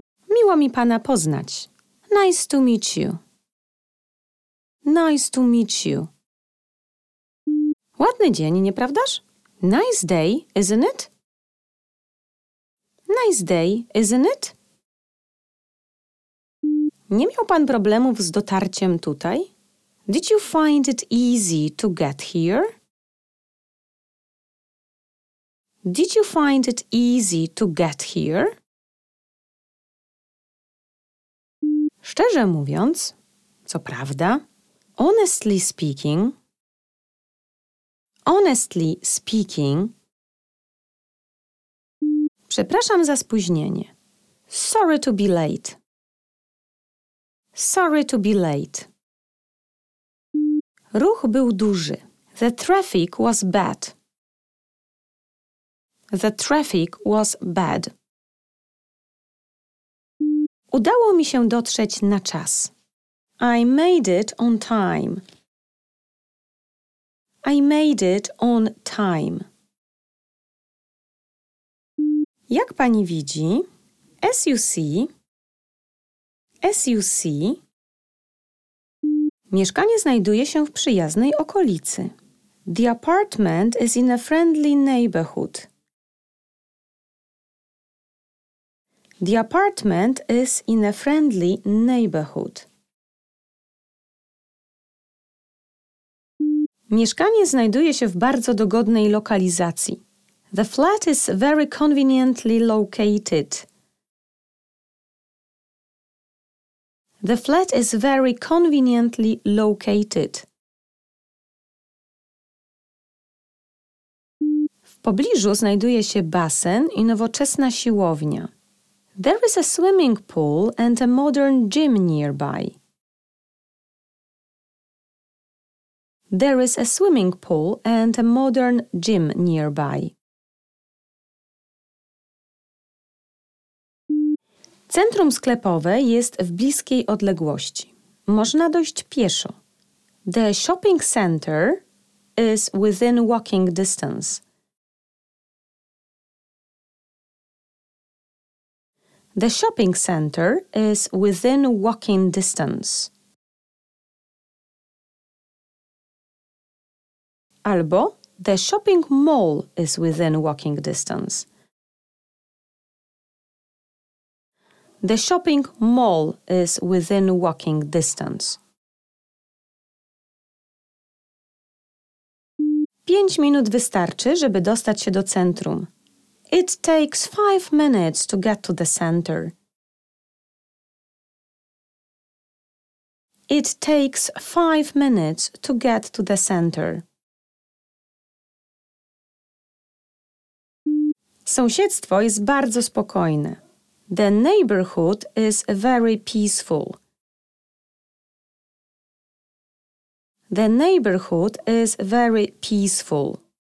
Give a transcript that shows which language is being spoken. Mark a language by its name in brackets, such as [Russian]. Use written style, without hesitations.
[Polish] Miło mi pana poznać. [English] Nice to meet you. [Polish] Nice to meet you. Ładny dzień, nieprawdaż? [English] Nice day, isn't it? Nice day, isn't it? [Polish] Nie miał pan problemów z dotarciem tutaj? [English] Did you find it easy to get here? Did you find it easy to get here? [Polish] Szczerze mówiąc, co prawda, [English] honestly speaking, honestly speaking. [Polish] Przepraszam za spóźnienie. [English] Sorry to be late. Sorry to be late. [Polish] Ruch był duży. [English] The traffic was bad. The traffic was bad. [Polish] Udało mi się dotrzeć na czas. [English] I made it on time. I made it on time. [Polish] Jak pani widzi, [English] as you see, [Polish] mieszkanie znajduje się w przyjaznej okolicy. [English] The apartment is in a friendly neighborhood. The apartment is in a friendly neighborhood. [Polish] Mieszkanie znajduje się w bardzo dogodnej lokalizacji. [English] The flat is very conveniently located. The flat is very conveniently located. [Polish] W pobliżu znajduje się basen i nowoczesna siłownia. [English] There is a swimming pool and a modern gym nearby. There is a swimming pool and a modern gym nearby. [Polish] Centrum sklepowe jest w bliskiej odległości. Można dojść pieszo. [English] The shopping center is within walking distance. The shopping center is within walking distance. Albo the shopping mall is within walking distance. The shopping mall is within walking distance. [Polish] 5 minut wystarczy, żeby dostać się do centrum. [English] It takes 5 minutes to get to the center. It takes 5 minutes to get to the center. [Polish] Sąsiedztwo jest bardzo spokojne. [English] The neighborhood is very peaceful. The neighborhood is very peaceful.